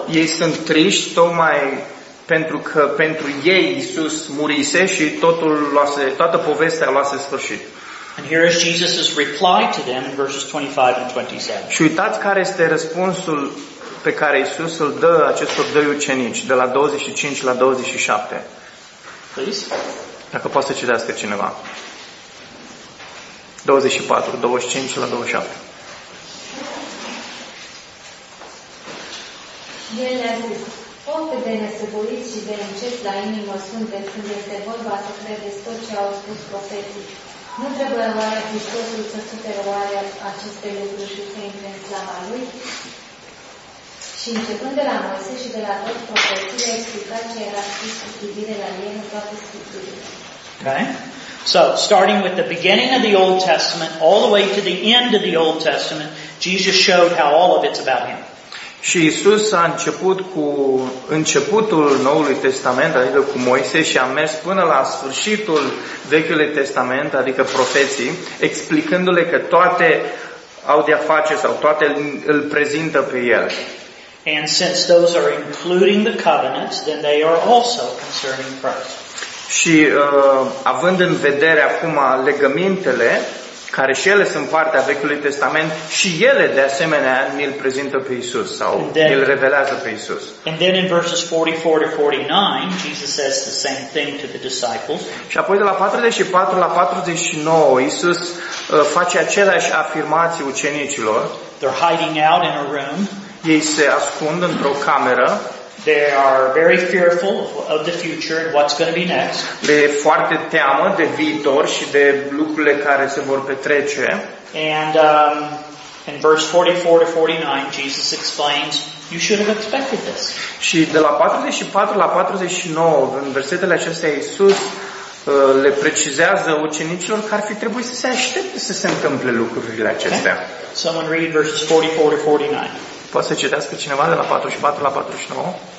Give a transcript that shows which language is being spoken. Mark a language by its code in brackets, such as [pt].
[ro] Ei sunt triști tocmai pentru că pentru ei Iisus murise și totul luase, toată povestea luase sfârșit. [en] And here is Jesus's reply to them in verses 25 and 27. [ro] Și uitați care este răspunsul pe care Iisus îl dă acestor doi ucenici de la 25 la 27. [en] Please. [ro] Dacă poate să citească cineva. 24, 25 la 27. El a zis, oh, cât de nesăbuiți și de încet la inimă sunteți când este vorba să credeți tot ce au spus profeții. Nu trebuie oare Hristosul să sufere oare aceste lucruri și să intre în slava Lui? Și începând de la Moise și de la tot profeții, a explicat ce era scris cu privire la el în toate scripturile. [en] Okay. So, starting with the beginning of the Old Testament, all the way to the end of the Old Testament, Jesus showed how all of it's about Him. [ro] Și Iisus a început cu începutul Noului Testament, adică cu Moise, și a mers până la sfârșitul Vechiului Testament, adică profeții, explicându-le că toate au de-a face sau toate îl prezintă pe El. [en] And since those are including the covenants, then they are also concerning Christ. [ro] Și având în vedere acum legămintele, care și ele sunt parte a Vechiului Testament, și ele de asemenea îl prezintă pe Iisus sau îl revelează pe Iisus. [en] And then in verses 44 to 49, Jesus says the same thing to the disciples. [ro] Și apoi de la 44 la 49, Iisus face aceleași afirmații ucenicilor. [en] They're hiding out in a room. [ro] Ei se ascund într-o cameră. [en] They are very fearful of the future and what's going to be next. [ro] Le e foarte teamă de viitor și de lucrurile care se vor petrece. [en] And in verse 44 to 49, Jesus explains, you should have expected this. [ro] Și de la 44 la 49, în versetele acestea, Iisus le precizează ucenicilor că ar fi trebuit să se aștepte să se întâmple lucrurile acestea. [en] Okay. Someone read verses 44 to 49. [ro] Poate să citească cineva de la 44 la 49?